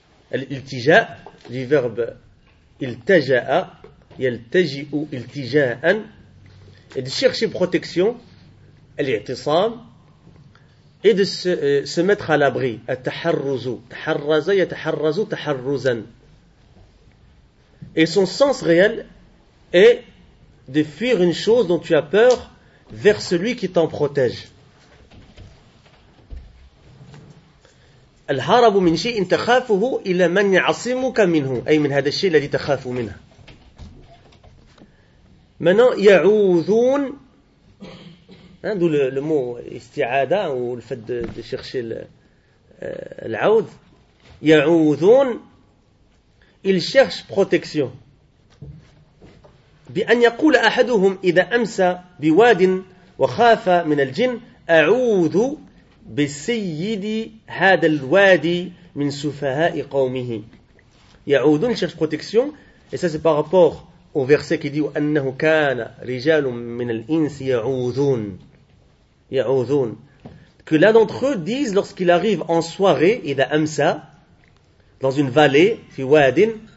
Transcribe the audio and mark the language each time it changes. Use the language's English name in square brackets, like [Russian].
[French] L'iltija' du verbe iltaja'a, yaltaji'u iltija'an, et de chercher protection, l'i'tisam, et de se mettre à l'abri, at-taharruzu, taharraza yataharrazu taharruzan. Et son sens réel est de fuir une chose dont tu as peur vers celui qui t'en protège. [Arabic] الهرب من شيء تخافه إلى من يعصمك منه أي من هذا الشيء الذي تخاف منه. [French] Maintenant, يعوذون, hein, d'où le mot استعادة ou le fait de chercher العوذ. يعوذون, il cherche protection. [Arabic] بأن يقول أحدهم إذا أمسى بواد وخاف من الجن أعوذ بسيد هذا الوادي من سفهاء قومه. [French] يعوذون, cherche protection. Et ça, c'est par rapport au verset qui dit [Arabic] وأنه كان رجال من الإنس يعوذون. [French] يعوذون, que l'un d'entre eux dise lorsqu'il arrive en soirée, [Arabic] إذا أمسى, [French] dans une vallée, [Arabic] في واد.